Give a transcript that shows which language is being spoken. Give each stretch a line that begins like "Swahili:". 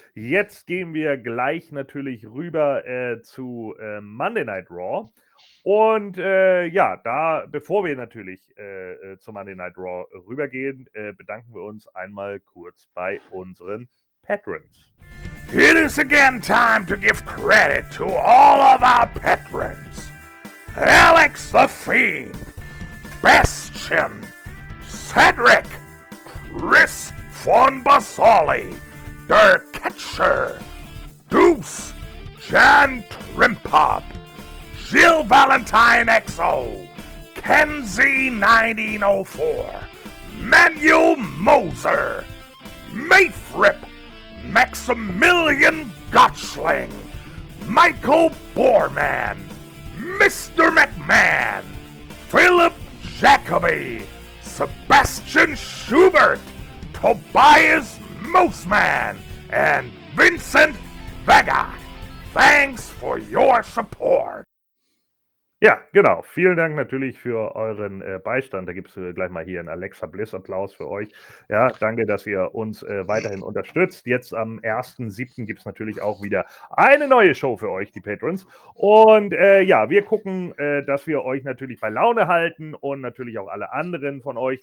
German: Jetzt gehen wir gleich natürlich rüber zu Monday Night Raw. Und bevor wir natürlich zu Monday Night Raw rübergehen, bedanken wir uns einmal kurz bei unseren Patrons.
English: It is again time to give credit to all of our Patrons. Alex the Fiend, Bastion, Cedric, Chris von Basali, Der Catcher, Deuce, Jan Trimpop, Jill Valentine XO, Kenzie 1904, Manuel Moser, Mayfrip, Maximilian Gotchling, Michael Boorman, Mr. McMahon, Philip Jacoby, Sebastian Schubert, Tobias Moseman, and Vincent Vega. Thanks for your support.
German: Ja, genau. Vielen Dank natürlich für euren Beistand. Da gibt es gleich mal hier einen Alexa Bliss Applaus für euch. Ja, danke, dass ihr uns weiterhin unterstützt. Jetzt am 1.7. gibt es natürlich auch wieder eine neue Show für euch, die Patrons. Und wir gucken, dass wir euch natürlich bei Laune halten und natürlich auch alle anderen von euch.